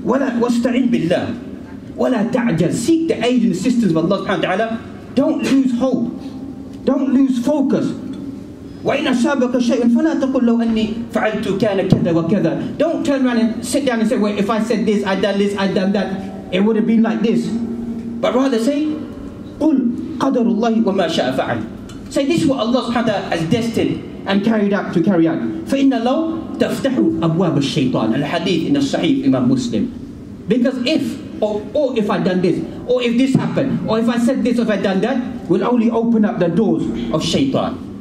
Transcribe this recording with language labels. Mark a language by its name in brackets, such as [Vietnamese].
[Arabic] Wala wasta'in billah. Wala ta'jal. [English] Seek the aid and assistance of Allah subhanahu wa ta'ala. Don't lose hope. Don't lose focus. [Arabic] وَإِنَ أَصَابَكَ شَيْءٌ فَلَا تَقُلْ لَوْ أَنِّي فَعَلْتُ كَانَ كَذَا وَكَذَا. [English] Don't turn around and sit down and say, well, if I said this, I'd done this, I'd done that, it would have been like this. But rather say, [Arabic] قُلْ قَدَرُ اللَّهِ وَمَا شَاءَ فَعَلْ. [English] Say, this is what Allah subhanahu has destined and carried out to carry out. [Arabic] فَإِنَّ لَوْ تَفْتَحُ أَبْوَابَ الشَّيْطَانِ. [English] الحديث in the Sahih Imam Muslim. Because if I'd done this, or if this happened, or if I said this, or if I'd done that, will only open up the doors of shaitan.